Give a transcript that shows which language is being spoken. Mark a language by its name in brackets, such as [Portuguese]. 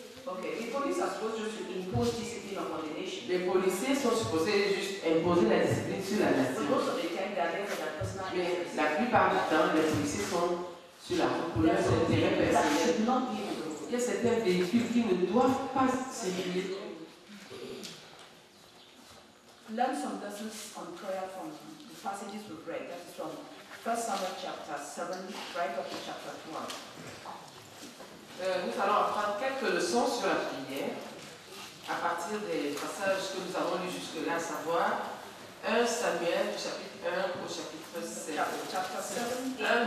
[English] Okay, the police are supposed to impose discipline upon the nation. [French] Les policiers sont supposés juste imposer la discipline sur la nation. [English] But most of the time they are there for their personal interest. [French] Mais la plupart du temps, les policiers sont sur la route pour leurs intérêts personnels. Il y a certains véhicules qui ne doivent pas circuler. [English] Learn some lessons on prayer from the passages we read. That is from 1 Samuel chapter 7, right up to chapter 12. [French] Nous allons apprendre quelques leçons sur la prière à partir des passages que nous avons lus jusque-là, à savoir 1 Samuel, chapitre 1 au chapitre 7.